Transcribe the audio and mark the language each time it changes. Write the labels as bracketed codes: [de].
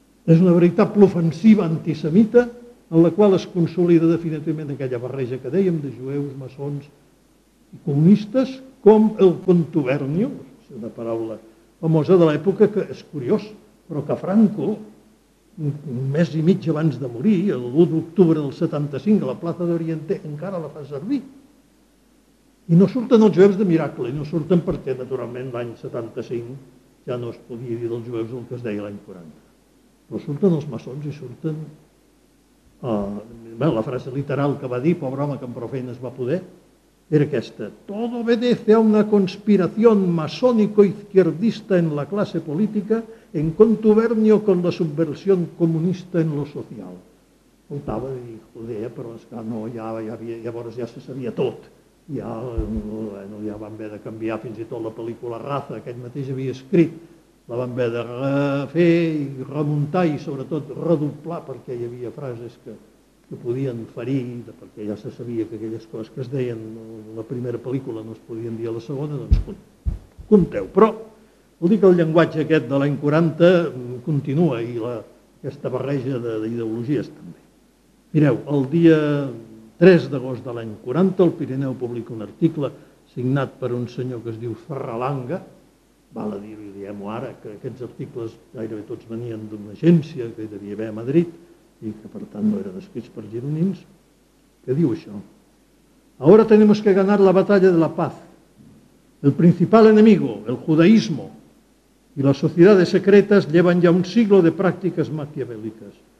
[ca] És una veritable ofensiva antisemita en la qual es consolida definitivament aquella barreja que dèiem de jueus, maçons i comunistes, com el contubernio, una paraula famosa de l'època que és curiós, però que Franco, un mes i mig abans de morir, l'1 d'octubre del 75, a la plaça d'Oriente, encara la fa servir. I no surten els jueus de miracle, i no surten perquè, naturalment, l'any 75 ja no es podia dir dels jueus el que es deia l'any 40. Però surten els maçons i surten... bé, la frase literal que va dir, pobre home, que amb prou feines va poder, era aquesta: [es] todo obedece a una conspiración masónico-izquierdista en la clase política en contubernio con la subversión comunista en lo social. [ca] Faltava de dir, joder, però és que no, llavors ja se sabia tot. Ja van haver de canviar fins i tot la pel·lícula Raza, que ell mateix havia escrit, la van haver de refer i remuntar i sobretot redoblar, perquè hi havia frases que podien ferir, perquè ja se sabia que aquelles coses que es deien a la primera pel·lícula no es podien dir a la segona, doncs compteu. Però vol dir que el llenguatge aquest de l'any 40 continua, i aquesta barreja d'ideologies també. Mireu, el dia 3 d'agost de l'any 40, el Pirineu publica un article signat per un senyor que es diu Ferralanga, val a dir-ho, diem-ho ara, que aquests articles gairebé tots venien d'una agència que hi devia haver a Madrid i que, per tant, no eren escrits per gironins, que diu això: [es] ahora tenemos que ganar la batalla de la paz. El principal enemigo, el judaísmo y las sociedades secretas llevan ya un siglo de prácticas maquiavélicas.